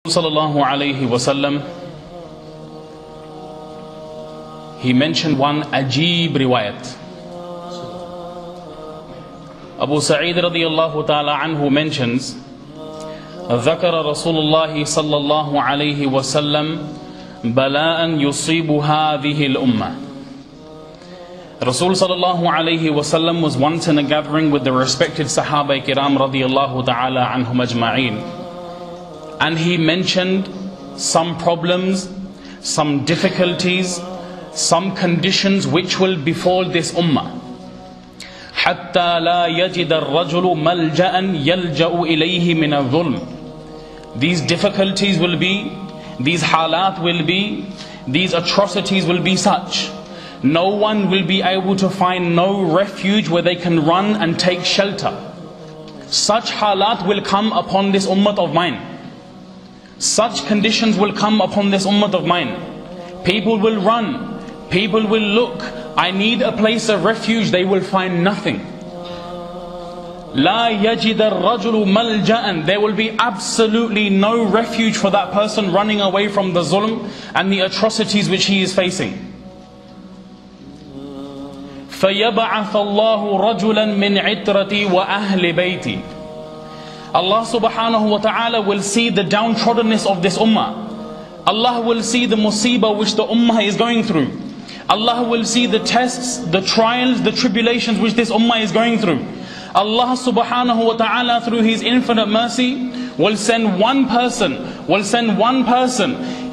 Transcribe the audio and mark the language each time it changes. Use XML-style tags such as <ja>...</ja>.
<ar>صلى الله عليه وسلم</ar> <en>he mentioned one</en> <ar>عجيب روايات. أبو سعيد رضي الله تعالى عنه mentions ذكر رسول الله صلى الله عليه وسلم بلاء يصيب هذه الأمة.</ar> <en>رسول صلى الله عليه وسلم was once in a gathering with the respected</en> <ar>صحابة الكرام رضي الله تعالى عنهم أجمعين,</ar> <en>and he mentioned some problems, some difficulties, some conditions which will befall this أمة.</en> <ar>حتى لا يجد الرجل ملجأ يلجأ إليه من الظلم.</ar> <en>These difficulties will be, these halat will be, these atrocities will be such. No one will be able to find no refuge where they can run and take shelter. Such halat will come upon this ummah of mine. Such conditions will come upon this ummah of mine. People will run. People will look. I need a place of refuge. They will find nothing.</en> <ar>لا يجد الرجل ملجأ.</ar> <en>There will be absolutely no refuge for that person running away from the zulm and the atrocities which he is facing.</en> <ar>فيبعث الله رجلا من عترتي وأهل بيتي.</ar> <en>Allah subhanahu wa ta'ala will see the downtroddenness of this ummah. Allah will see the musibah which the ummah is going through. Allah will see the tests, the trials, the tribulations which this ummah is going through. Allah subhanahu wa ta'ala through His infinite mercy will send one person, will send one person.</en>